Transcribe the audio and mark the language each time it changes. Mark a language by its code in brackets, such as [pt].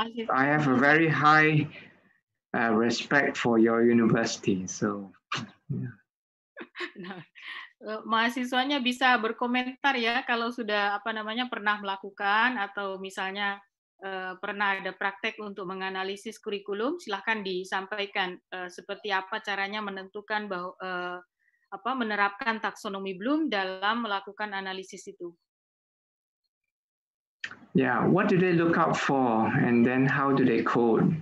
[en] I have a very high respect for your university, so yeah. [id] Nah, mahasiswanya bisa berkomentar ya kalau sudah apa namanya pernah melakukan atau misalnya pernah ada praktek untuk menganalisis kurikulum, silahkan disampaikan seperti apa caranya menentukan bahwa apa menerapkan taksonomi Bloom dalam melakukan analisis itu. [en] Yeah, what do they look out for, and then how do they code?